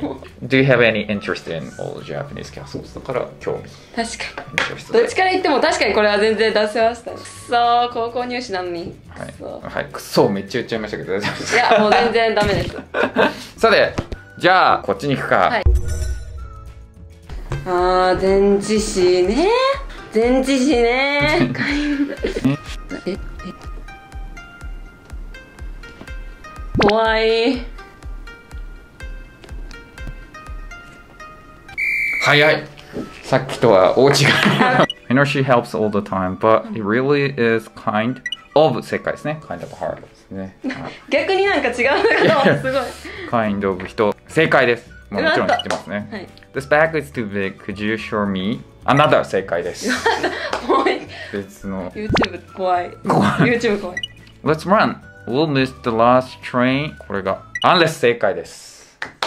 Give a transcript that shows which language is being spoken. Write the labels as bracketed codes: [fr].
[en] Do you have any interest in all Japanese castles? [ja] だから興味、確かに、どっちから言っても確かにこれは全然出せました。くそー、高校入試なのに、はい、はい、くそー、めっちゃ言っちゃいましたけど大丈夫ですか？いや、もう全然ダメです。さて、じゃあこっちに行くか、はい、あー、前置詞ね、前置詞ねええ、怖い。早い、さっきとは大違い。 [en] I know she helps all the time, but it really is kind of [ja] 正解ですね。 [en] Kind of hard [ja] ですね。逆になんか違うのかな。すごい。 [en] Kind of [ja] 人、正解です。もちろん知ってますね、はい、 [en] This bag is too big, could you show me another [ja] 正解です。別の YouTube 怖い、怖い、 YouTube 怖い。 [en] Let's run, we'll miss the last train。 [ja] これが [en] Unless [ja] 正解です。